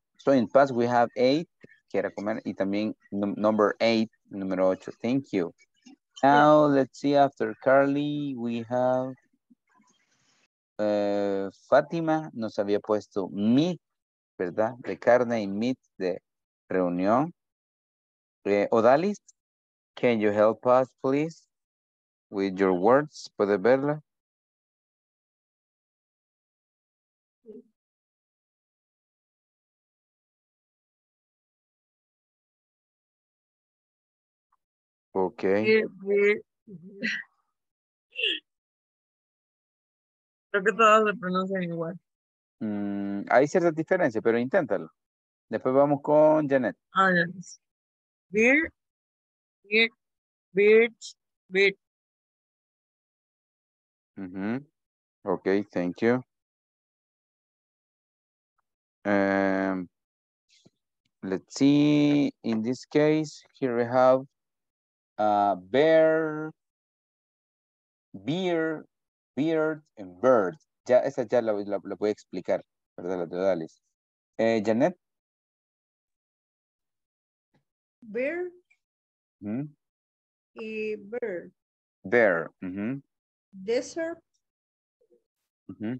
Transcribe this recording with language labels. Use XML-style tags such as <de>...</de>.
<en>So in past we have 8,</en> <es>que era comer, y también</es> <en>number 8,</en> <es>número</es> <en>8. Thank you. Now, let's see, after Carly, we have Fátima,</en> <es>nos había puesto</es> <en>meat,</en> <es>¿verdad? De carne y meat de reunión.</es> <en>Odalis, can you help us, please, with your words?</en> <es>¿Puede verla?</es> <en>Okay.</en> <es>Creo que todas se pronuncian igual. Hay cierta diferencia, pero inténtalo. Después vamos con Janet.</es> <en>Yes. Beer, beer, beer, beer. Mm-hmm. Okay, thank you. Let's see. In this case, here we have bear, beer, beard, and bird.</en> <es>Ya, esa ya la voy a explicar, ¿verdad? La de Dallas. Janet.</es> <en>Bear. Mm-hmm. Y bear. Bear. Mm-hmm. Desert. Mm-hmm.</en>